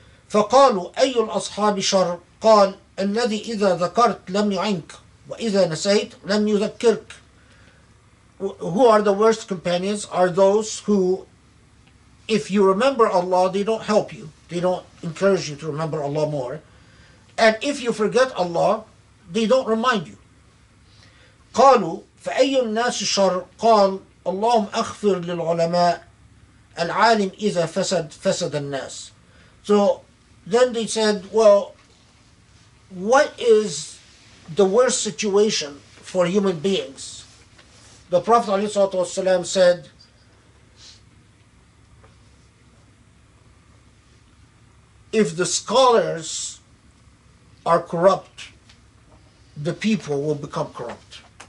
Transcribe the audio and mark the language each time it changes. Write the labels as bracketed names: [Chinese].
[Arabic] فَقَالُوا أَيُّ الْأَصْحَابِ شَرٌّ قَالَ الَّذِي إِذَا ذَكَرْتَ لَمْ يُعِنْكَ وَإِذَا نَسَيْتَ لَمْ يُذَكِّرْكَ. [English] Who are the worst companions? Are those who, if you remember Allah, they don't help you, they don't encourage you to remember Allah more, and if you forget Allah, they don't remind you. [Arabic] قالوا فأي الناس شر قال اللهم أغفر للعلماء العالم إذا فسد فسد الناس. [English] So then they said, well, what is the worst situation for human beings? The Prophet ﷺ said, if the scholars are corrupt, the people will become corrupt.